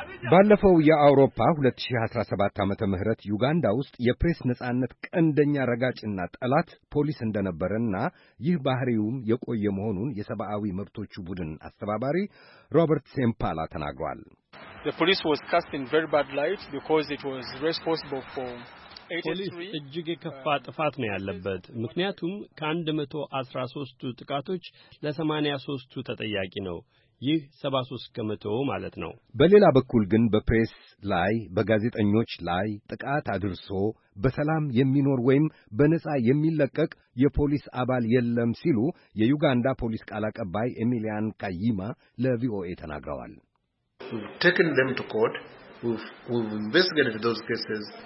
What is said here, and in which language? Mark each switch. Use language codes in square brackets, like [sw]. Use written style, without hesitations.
[am] ባለፈው የአውሮፓ 2017 ዓመተ ምህረት ዩጋንዳ ውስጥ የፕሬስ ነጻነት ቀንደኛ ረጋጭና ጠላት ፖሊስ እንደነበረና ይህ ባህሪውም የቆየ መሆኑን የሰብአዊ መብቶቹ ቡድን አስተባባሪ ሮበርት ሴምፓላ ተናግሯል። [en] The police was cast in very bad light because it was responsible for 83 [am] ጅግ ከፋ ጥፋት ነው ያለበት፣ ምክንያቱም ከ113ቱ ጥቃቶች ለ83ቱ ተጠያቂ ነው። ይህ 73 ከመቶ ማለት ነው። በሌላ በኩል ግን በፕሬስ ላይ በጋዜጠኞች ላይ ጥቃት አድርሶ በሰላም የሚኖር ወይም በነጻ የሚለቀቅ የፖሊስ አባል የለም ሲሉ የዩጋንዳ ፖሊስ ቃል አቀባይ ኤሚሊያን ካይማ ለቪኦኤ ተናግረዋል። [en] Taken them to court, we've investigated those cases.